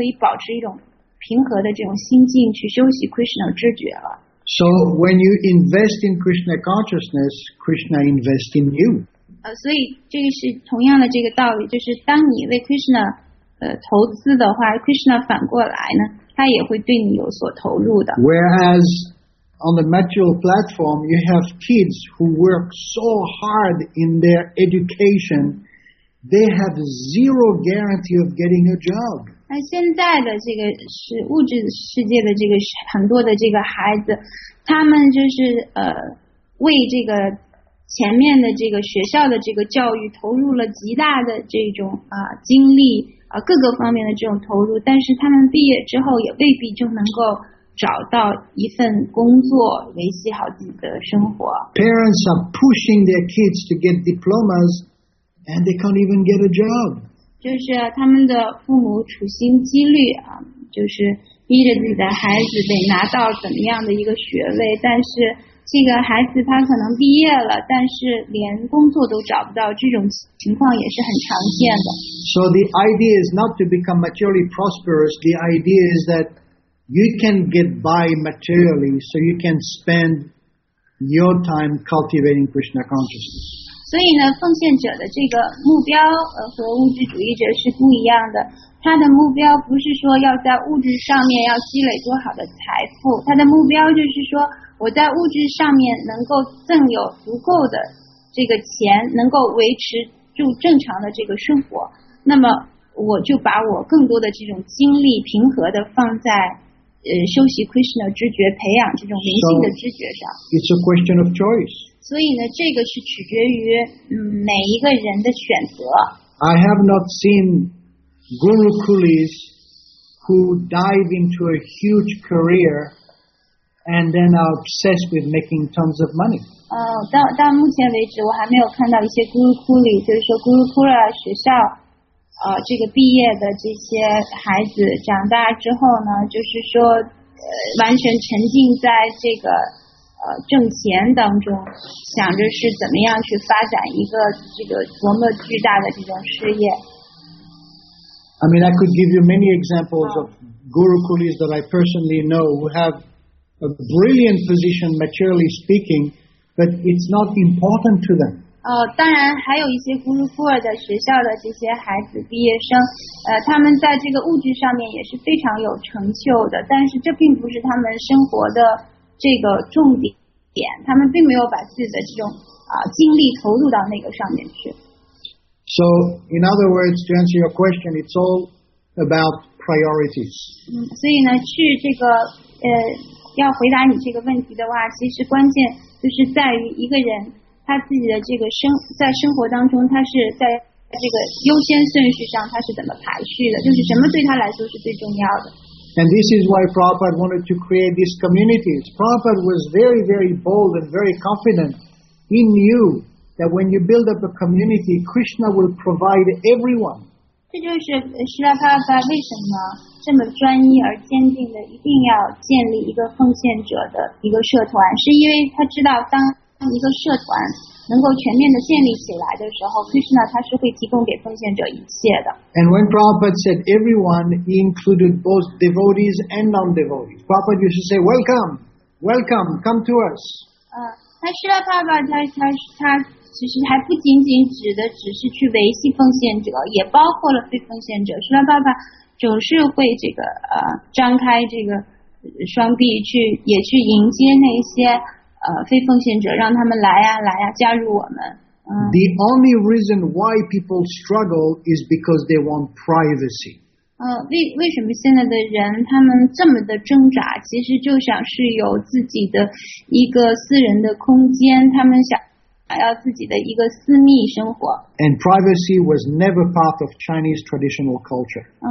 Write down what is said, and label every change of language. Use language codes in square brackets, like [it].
[zh] 他们就是能够挣到足够的这个钱去很好的去维系自己的生活，那没有这样的一种生存的这个忧虑，但是呢，他们也不会说非常执着于要挣多少多少的这个钱，他们只要挣到一定的钱，能够很好的去维系自己的生活，保持这种平衡，这样他们就可以保持一种平和的这种心境去修习 Krishna 知觉了。 [en] So when you invest in Krishna consciousness, Krishna invests in you. [zh] 所以这个是同样的这个道理，就是当你为 Krishna 投资的话， Krishna 反过来呢，他也会对你有所投入的。 [en] Whereas on the material platform, you have kids who work so hard in their education, they have zero guarantee of getting a job. [zh] 那现在的这个是物质世界的这个很多的这个孩子，他们就是为这个前面的这个学校的这个教育投入了极大的这种精力，各个方面的这种投入，但是他们毕业之后也未必就能够找到一份工作，维系好自己的生活。 [en] Parents are pushing their kids to get diplomas, and they can't even get a job. [zh] 就是他们的父母处心积虑啊，就是逼着自己的孩子得拿到怎么样的一个学位，但是这个孩子他可能毕业了，但是连工作都找不到，这种情况也是很常见的。 [en] So the idea is not to become materially prosperous. The idea is that you can get by materially, so you can spend your time cultivating Krishna consciousness. [zh] 所以呢，奉献者的这个目标和物质主义者是不一样的。他的目标不是说要在物质上面要积累多好的财富，他的目标就是说我在物质上面能够赠有足够的这个钱，能够维持住正常的这个生活，那么我就把我更多的这种精力平和的放在修习 Krishna 知觉，培养这种灵性的知觉上。 [en] So, it's a question of choice. [zh] 所以呢，这个是取决于每一个人的选择。 [en] I have not seen gurukulis who dive into a huge career and then are obsessed with making tons of money. [zh] 到目前为止，我还没有看到一些 gurukuli， 就是说 gurukula 学校。这个毕业的这些孩子长大之后呢，就是说完全沉浸在这个挣钱当中，想着是怎么样去发展一个这个多么巨大的这种事业。 [en] I mean, I could give you many examples of gurukulis that I personally know who have a brilliant position materially speaking, but it's not important to them. [zh] 当然还有一些咕噜库尔的学校的这些孩子毕业生，他们在这个物质上面也是非常有成就的，但是这并不是他们生活的这个重点，他们并没有把自己的这种精力投入到那个上面去。 [en] So, in other words, to answer your question, it's all about priorities. [zh] 所以呢，去这个要回答你这个问题的话，其实关键就是在于一个人他自己的这个在生活当中，他是在这个优先顺序上，他是怎么排序的？就是什么对他来说是最重要的 [en] ？And this is why Prabhupada wanted to create these communities. Prabhupada was very, very bold and very confident. He knew that when you build up a community, Krishna will provide everyone. [zh] 这就是希拉帕巴为什么这么专一而坚定的一定要建立一个奉献者的一个社团，是因为他知道当一个社团能够全面的建立起来的时候， Krishna 他是会提供给奉献者一切的。 [en] And when Prabhupada said everyone, he included both devotees and non-devotees. Prabhupada used to say, "Welcome, welcome, come to us." [zh] 他是的，爸爸，他其实还不仅仅指的只是去维系奉献者，也包括了非奉献者。是的，爸爸总是会这个张开这个双臂去，也去迎接那些。非奉献者，让他们来呀、啊，来呀、啊，加入我们。 [en] The only reason why people struggle is because they want privacy. [zh] 为什么现在的人他们这么的挣扎？其实就想是有自己的一个私人的空间，他们想要自己的一个私密生活。 [en] And privacy was never part of Chinese traditional culture.